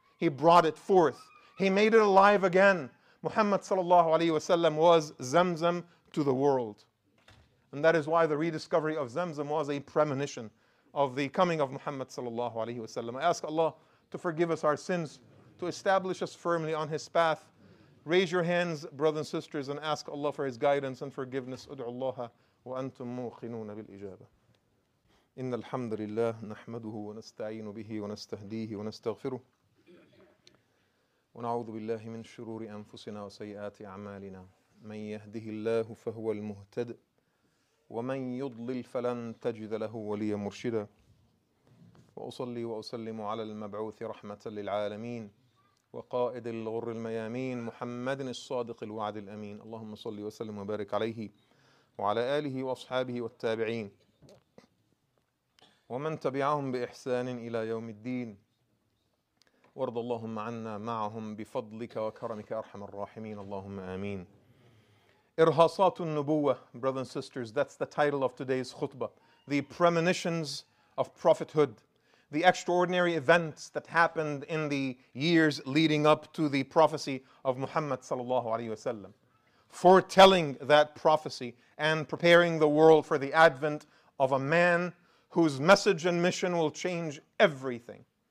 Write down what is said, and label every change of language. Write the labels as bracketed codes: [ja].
[en] He brought it forth. He made it alive again. Muhammad sallallahu alayhi wasallam was Zamzam to the world. And that is why the rediscovery of Zamzam was a premonition of the coming of Muhammad sallallahu alayhi wasallam. I ask Allah to forgive us our sins, to establish us firmly on His path. Raise your hands, brothers and sisters, and ask Allah for His guidance and forgiveness. [ar] أدعوا الله وأنتم موقنون بالإجابة. إن الحمد لله نحمده ونستعين به ونستهديه ونستغفره ونعوذ بالله من شرور أنفسنا وسيئات أعمالنا. من يهده الله فهو المهتد ومن يضلل فلن تجد له وليا مرشدا. وأصلي وأسلم على المبعوث رحمة للعالمين وقائد الغر الميامين محمد الصادق الوعد الأمين. اللهم صل وسلم وبارك عليه وعلى آله وأصحابه والتابعين ومن تبعهم بإحسان إلى يوم الدين. وارض اللهم عنا معهم بفضلك وكرمك أرحم الراحمين. اللهم آمين. إرهاصات النبوة, [en] brothers and sisters, that's the title of today's khutbah. The premonitions of prophethood. The extraordinary events that happened in the years leading up to the prophecy of Muhammad sallallahu alayhi wasallam, foretelling that prophecy and preparing the world for the advent of a man whose message and mission will change everything.